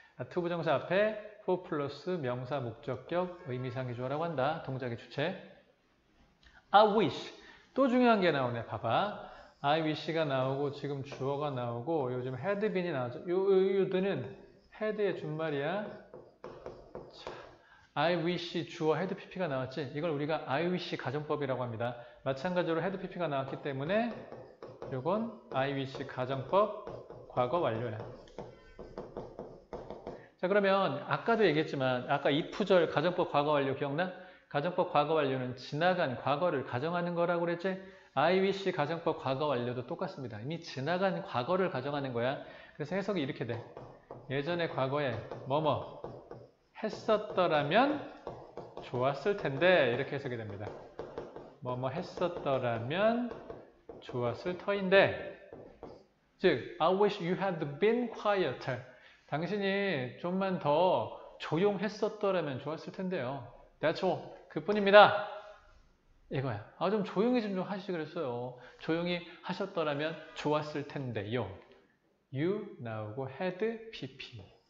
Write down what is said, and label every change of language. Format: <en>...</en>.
<ko>투부정사 앞에 for 플러스 명사 목적격 의미상의 주어라고 한다. 동작의 주체. I wish. 또 중요한 게 나오네. 봐봐. I wish가 나오고 지금 주어가 나오고 요즘 had been이 나왔죠. 요드는 had의 준말이야. I wish 주어 had pp가 나왔지. 이걸 우리가 I wish 가정법이라고 합니다. 마찬가지로 had pp가 나왔기 때문에 요건 I wish 가정법 과거 완료야. 자, 그러면 아까도 얘기했지만 아까 if절 가정법 과거 완료 기억나? 가정법 과거 완료는 지나간 과거를 가정하는 거라고 그랬지? I wish 가정법 과거 완료도 똑같습니다. 이미 지나간 과거를 가정하는 거야. 그래서 해석이 이렇게 돼. 예전에 과거에 뭐뭐 했었더라면 좋았을 텐데, 이렇게 해석이 됩니다. 뭐뭐 했었더라면 좋았을 터인데. 즉,</ko> <en>I wish you had been quieter.</en> <ko>당신이 좀만 더 조용했었더라면 좋았을 텐데요.</ko> <en>That's all.</en> <ko>그뿐입니다. 이거야. 아, 좀 조용히 좀 하시지 그랬어요. 조용히 하셨더라면 좋았을 텐데요. You 나오고 had pp.</ko>